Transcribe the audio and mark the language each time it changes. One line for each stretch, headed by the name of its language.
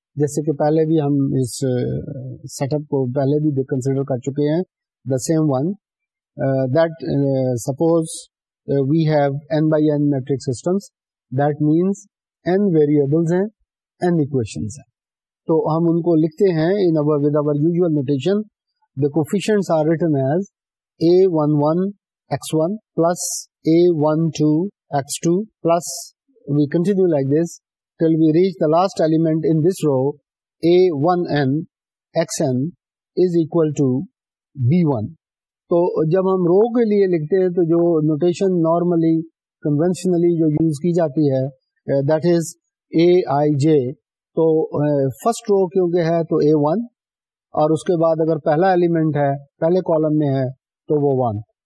Urdu: جیسے کہ پہلے بھی ہم اس سیٹ اپ کو پہلے بھی کنسیڈر کر چکے ہیں,
English: The same one that suppose we have n by n metric systems.
Urdu: That means n variables ہیں, n ایکویشنز ہیں. تو ہم ان کو لکھتے ہیں
English: In our with our usual notation. The coefficients are written as A one one X one plus A one two X two plus we continue like this till we reach the last element in this row A one N X N is equal to B one.
Urdu: تو جب ہم رو کے لیے لکھتے ہیں تو جو notation normally conventionally جو یوز کی جاتی ہے
English: That is A I J.
Urdu: تو فرسٹ رو کیونکہ ہے تو اے ون, اور اس کے بعد اگر پہلا ایلیمنٹ ہے پہلے کالم میں ہے تو وہ ون.